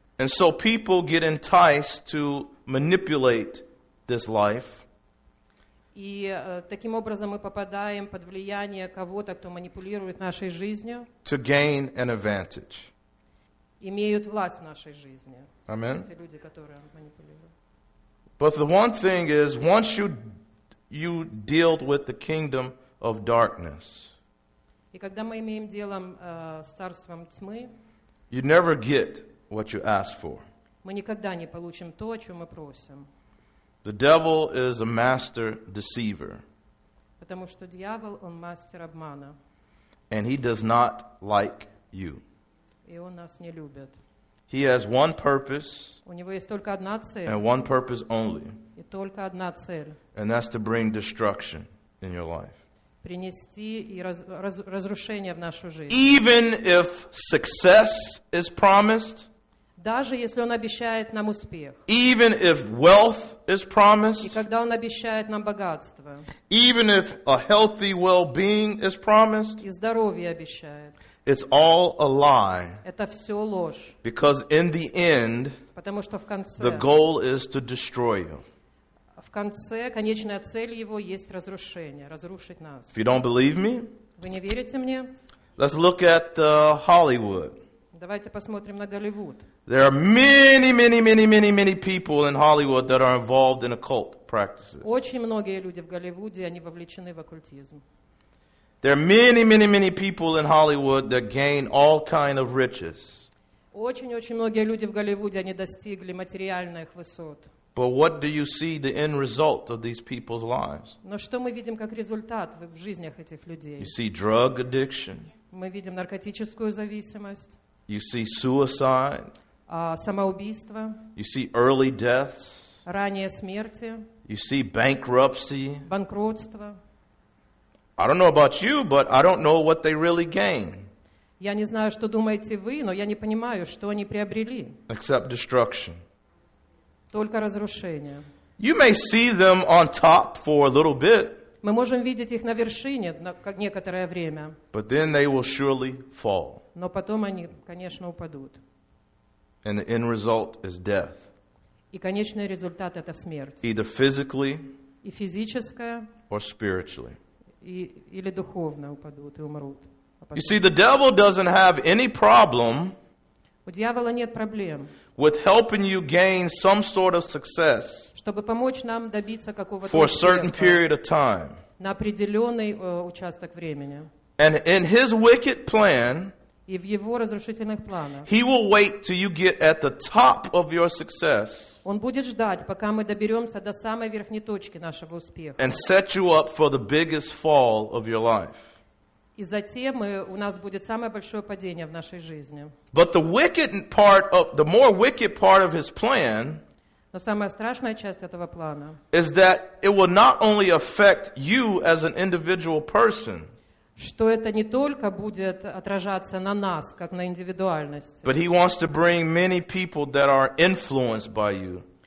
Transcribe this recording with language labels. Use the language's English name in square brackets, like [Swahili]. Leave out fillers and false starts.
[English] And so people get enticed to manipulate this life. [Russian] И таким образом мы попадаем под влияние кого-то, кто манипулирует нашей жизнью. [English] To gain an advantage. [Russian] Имеют власть в нашей жизни. [English] Amen. [Russian] Эти люди, которые манипулируют. [English] But the one thing is, once you deal with the kingdom of darkness. [Russian] И когда мы имеем дело с царством тьмы, [English] you never get what you ask for. [Russian] Мы никогда не получим то, о чем мы просим. [English] The devil is a master deceiver. [Russian] Потому что дьявол, он мастер обмана. [English] And he does not like you. [Russian] И он нас не любит. [English] He has one purpose. [Russian] У него есть только одна цель. [English] And one purpose only. [Russian] И только одна цель. [English] And that's to bring destruction in your life. [Russian] Принести и разрушение в нашу жизнь. [English] Even if success is promised, [Russian] даже если он обещает нам успех, [English] even if wealth is promised, [Russian] и когда он обещает нам богатство, [English] even if a healthy well-being is promised, [Russian] и здоровье обещает, [English] it's all a lie. [Russian] Это все ложь. [English] Because in the end, [Russian] потому что в конце, [English] the goal is to destroy you. [Russian] В конце конечная цель его есть разрушение, разрушить нас. [English] If you don't believe me, [Russian] вы не верите мне? [English] Let's look at Hollywood. [Russian] Давайте посмотрим на Голливуд. [English] There are many, many, many, many, many people in Hollywood that are involved in occult practices. [Russian] Очень многие люди в Голливуде, они вовлечены в оккультизм. [English] There are many, many, many people in Hollywood that gain all kind of riches. [Russian] Очень-очень многие люди в Голливуде, они достигли материальных высот. [English] But what do you see the end result of these people's lives? [Russian] Но что мы видим как результат в жизнях этих людей? [English] You see drug addiction. [Russian] Мы видим наркотическую зависимость. [English] You see suicide. [Russian] Самоубийство. [English] You see early deaths. [Russian] Ранние смерти. [English] You see bankruptcy. [Russian] Банкротство. [English] I don't know about you, but I don't know what they really gain. [Russian] Я не знаю, что думаете вы, но я не понимаю, что они приобрели. [English] Except destruction. [Russian] Только разрушение. [English] You may see them on top for a little bit. [Russian] Мы можем видеть их на вершине на некоторое время. [English] But then they will surely fall. [Russian] Но потом они, конечно, упадут. [English] And the end result is death. [Russian] И конечный результат — это смерть. [English] Either physically. [Russian] И физическая. [English] Or spiritually. [Russian] Или духовно упадут и умрут. [English] You see, the devil doesn't have any problem. [Russian] У дьявола нет проблем. [English] With helping you gain some sort of success. [Russian] Чтобы помочь нам добиться какого-то успеха. [English] For a certain period of time. [Russian] На определенный участок времени. [English] And in his wicked plan. [Russian] И в его разрушительных планах. [English] He will wait till you get at the top of your success. [Russian] Он будет ждать, пока мы доберемся до самой верхней точки нашего успеха. [English] And set you up for the biggest fall of your life. [Russian] И затем у нас будет самое большое падение в нашей жизни. [English] But the wicked part of the more wicked part of his plan. [Russian] Но самая страшная часть этого плана. [English] Is that it will not only affect you as an individual person. [Russian] Что это не только будет отражаться на нас, как на индивидуальности. [English] But he wants to bring many people that are influenced by you.